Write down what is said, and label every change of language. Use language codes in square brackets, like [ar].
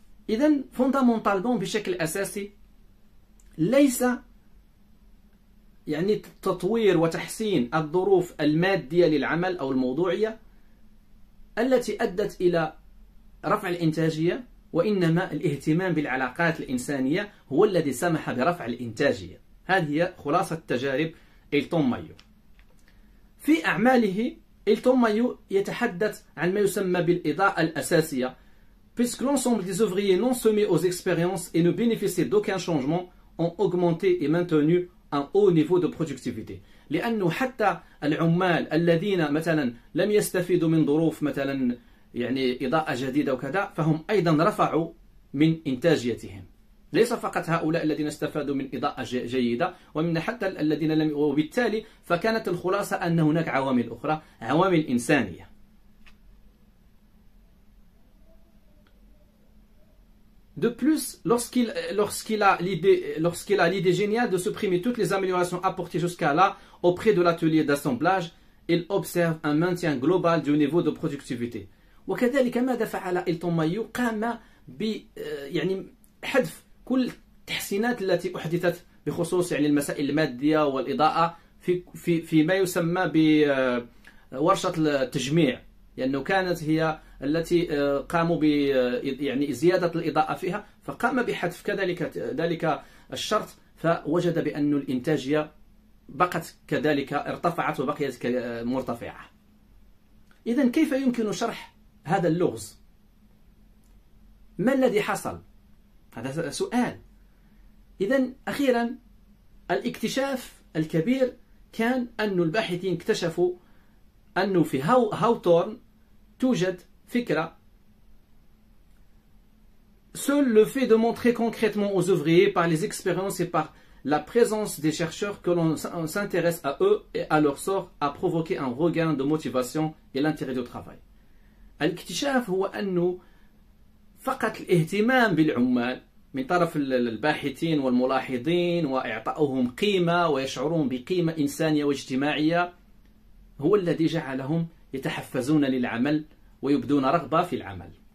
[ar] إذن فوندامونتالمون بشكل أساسي ليس يعني تطوير وتحسين الظروف المادية للعمل أو الموضوعية التي أدت إلى رفع الإنتاجية، وإنما الاهتمام بالعلاقات الإنسانية هو الذي سمح برفع الإنتاجية. هذه خلاصة تجارب إيلتون مايو. في أعماله إيلتون مايو يتحدث عن ما يسمى بالإضاءة الأساسية، [fr] puisque l'ensemble des ouvriers non soumis aux expériences et ne bénéficient d'aucun changement ont augmenté et maintenu ان او نيفو دو برودكتيفيتي، [ar] لانه حتى العمال الذين مثلا لم يستفيدوا من ظروف مثلا يعني اضاءه جديده وكذا، فهم ايضا رفعوا من انتاجيتهم. ليس فقط هؤلاء الذين استفادوا من اضاءه جيده، ومن حتى الذين لم، وبالتالي فكانت الخلاصه ان هناك عوامل اخرى، عوامل انسانيه. [fr] De plus, lorsqu'il a l'idée géniale de supprimer toutes les améliorations apportées jusqu'à là auprès de l'atelier d'assemblage, il observe un maintien global du niveau de productivité. [ar] وكذلك ماذا فعل إلتون مايو؟ قام ب يعني حذف كل التحسينات التي أحدثت بخصوص يعني المسائل المادية والإضاءة في في في ما يسمى بورشة التجميع، لأنه يعني كانت هي التي قاموا ب يعني زيادة الإضاءة فيها، فقام بحذف كذلك ذلك الشرط، فوجد بأن الإنتاجية بقت كذلك ارتفعت وبقيت مرتفعة. إذن كيف يمكن شرح هذا اللغز؟ ما الذي حصل؟ هذا سؤال. إذن أخيرا الاكتشاف الكبير كان أن الباحثين اكتشفوا أنه في هاوتورن توجد فكرة. [fr] Seul le fait de montrer concrètement aux ouvriers par les expériences et par la présence des chercheurs que l'on s'intéresse à eux et à leur sort a provoqué un regain de motivation et l'intérêt du travail. [ar] الاكتشاف هو أنه فقط الاهتمام بالعمال من طرف الباحثين والملاحظين وإعطائهم قيمة ويشعرون بقيمة إنسانية واجتماعية هو الذي جعلهم يتحفزون للعمل ويبدون رغبة في العمل.